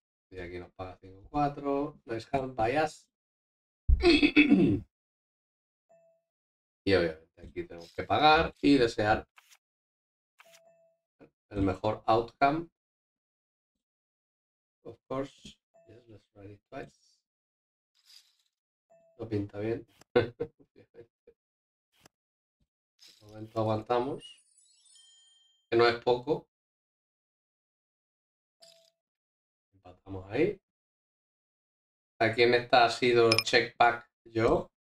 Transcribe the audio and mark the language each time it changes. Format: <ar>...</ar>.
<es>Y aquí nos paga 5-4.</es> <en>Nice hand by us.</en> <es>Y obviamente aquí tenemos que pagar y desear el mejor outcome.</es> <en>Of course, yes, let's try it twice.</en> <es>No pinta bien. De momento aguantamos, que no es poco. Vamos ahí. Aquí en esta ha sido check back yo.</es>